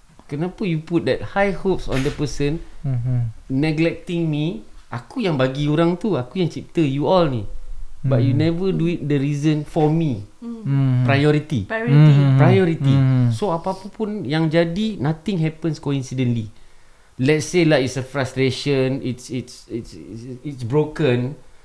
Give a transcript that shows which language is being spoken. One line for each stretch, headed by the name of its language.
Malay: Kenapa
English: you put that high hopes on the person neglecting me?
Malay: Aku yang bagi orang tu, aku yang cipta you all ni.
English: But you never do it the reason for me. Priority. Priority. So
Malay: apa-apa pun yang jadi,
English: nothing happens coincidentally. Let's say like it's a frustration, it's broken.